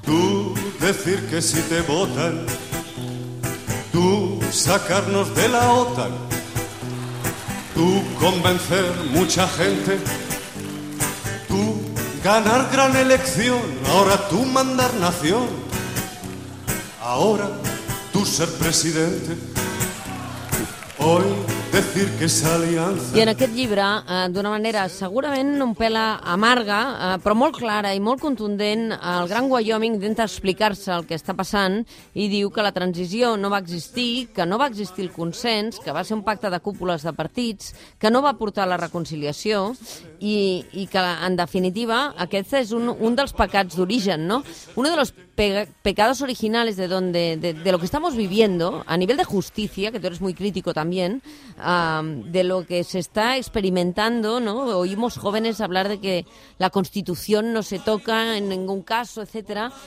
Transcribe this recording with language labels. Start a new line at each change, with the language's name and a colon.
Spanish: Tú decir que si te votan, tú sacarnos de la OTAN, tú convencer mucha gente, tú ganar gran elección, ahora tú mandar nación, ahora tú ser presidente, hoy decir que
Catalan: és aliança. I en aquest llibre, d'una manera segurament un pèl amarga, però molt clara i molt contundent, el gran Wyoming intenta explicar-se el que està passant i diu que la transició no va existir, que no va existir el consens, que va ser un pacte de cúpules de partits, que no va portar la reconciliació i que, en definitiva, aquest és un dels pecats d'origen, no?
Spanish: Uno de los pecados originales de donde de lo que estamos viviendo a nivel de justicia, que tú eres muy crítico también, de lo que se está experimentando, ¿no? Oímos jóvenes hablar de que la Constitución no se toca en ningún caso, etcétera.